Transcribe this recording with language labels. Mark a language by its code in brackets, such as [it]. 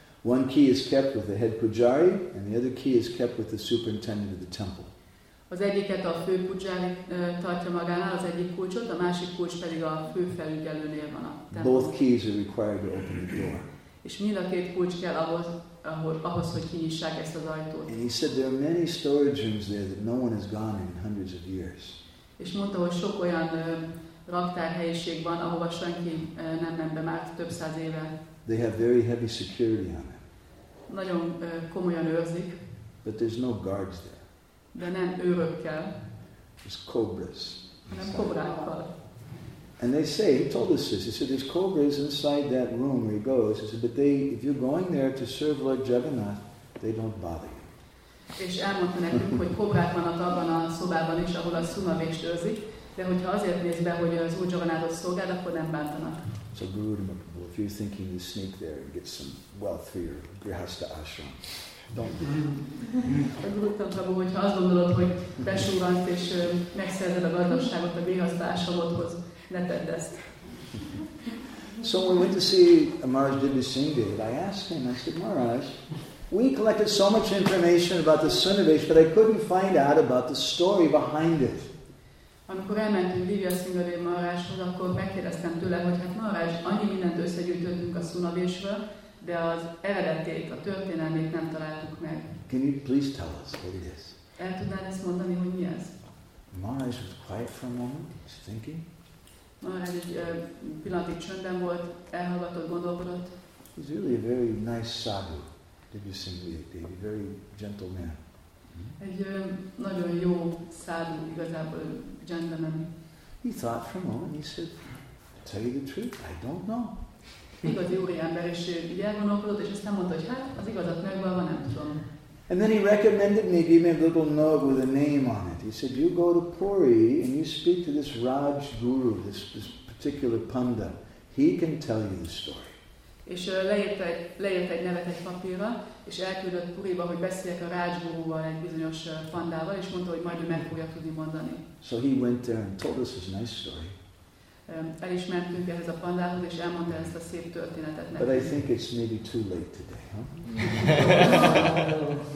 [en] One key is kept with the head pujari, and the other key is kept with the superintendent of the temple. [hu] Az egyiket a fő pujári tartja magánál, az egyik kulcsot, a másik kulcs pedig a fő felügyelőnél van a templom. [en] Both keys are required to open the door. [hu] És mind a két kulcs kell ahhoz, hogy kinyissák ezt az ajtót. [en] And he said there are many storage rooms there that no one has gone in hundreds of years. [hu] És mondta, hogy sok olyan raktárhelyiség van, ahova senki nem ment be már több száz éve. [en] They have very heavy security on it. [hu] Nagyon komolyan őrzik. [en] But there's no guards there. [hu] De nem őrökkel. [en] There's cobras. [hu] Nem kobrákkal. [en] And they say, he told us this, he said, there's cobras inside that room where he goes. He said, but they, if you're going there to serve Lord Jagannath, they don't bother you. [hu] És elmondta nekünk, hogy kobrák vannak abban a szobában is, ahol a szunavést őrzik, de hogyha azért néz be, hogy az Úr Jagannáthot szolgál, akkor nem bántanak. [en] So Guru Mahaprabhu, if you're thinking to sneak there and get some wealth for your grihastha ashram, don't. [hu] Gurutam Prabhu, hogyha azt gondolod, hogy besúrant és megszerzed a gazdaságot a grihastha ashramodhoz, ne tedd ezt. [en] So we went to see Maharaj Dibrasingdev. I asked him, I said, Maharaj, we collected so much information about the Sunavesh, but I couldn't find out about the story behind it. [hu] Amikor elmentünk Dibrasingdev Maharajhoz, akkor megkérdeztem tőle, hogy hát Maharaj, annyi mindent összegyűjtöttünk a Sunavesről, de az eredetét, a történelmét nem találtuk meg. [en] Can you please tell us what it is? [hu] El tudnád ezt mondani, hogy mi ez? [en] Maharaj was quiet for a moment, he's thinking. [hu] Maharaj egy pillanatig csöndben volt, elhallgatott, gondolkodott. [en] He's really a very nice sadhu, Dibrasingdev, a very gentle man. [hu] Egy nagyon jó sadhu, igazából gentleman. [en] He thought for a moment, he said, tell you the truth, I don't know. [hu] Igazi úri ember, és így elgondolkodott, és aztán mondta, hogy hát, az igazat megvalva, nem tudom. [en] And then he recommended me, gave me a little note with a name on it. He said, you go to Puri and you speak to this Raj Guru, this particular Panda. He can tell you the story. [hu] és leírt egy nevet egy papírra, és elküldött Puriba, hogy beszéljek a rácsgurúval, egy bizonyos pandával, és mondta, hogy majd ő meg fogja tudni mondani. [en] So he went there and told us his nice story. [hu] El is mentünk ehhez a pandához, és elmondta ezt a szép történetet nekünk. [en] But I think it's maybe too late today, huh?